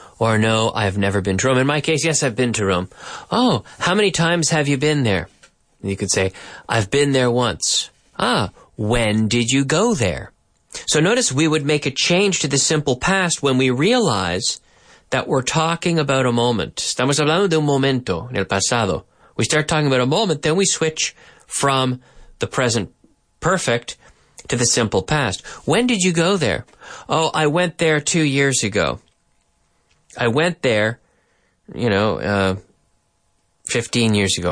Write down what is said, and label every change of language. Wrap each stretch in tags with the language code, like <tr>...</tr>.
<en>Or no, I've never been to Rome. In my case, yes, I've been to Rome. Oh, how many times have you been there? You could say, I've been there once. Ah, when did you go there? So notice we would make a change to the simple past when we realize that we're talking about a moment.</en> <es>Estamos hablando de un momento en el pasado.</es> <en>We start talking about a moment, then we switch from the present perfect to the simple past. When did you go there? Oh, I went there 2 years ago. I went there, 15 years ago.</en>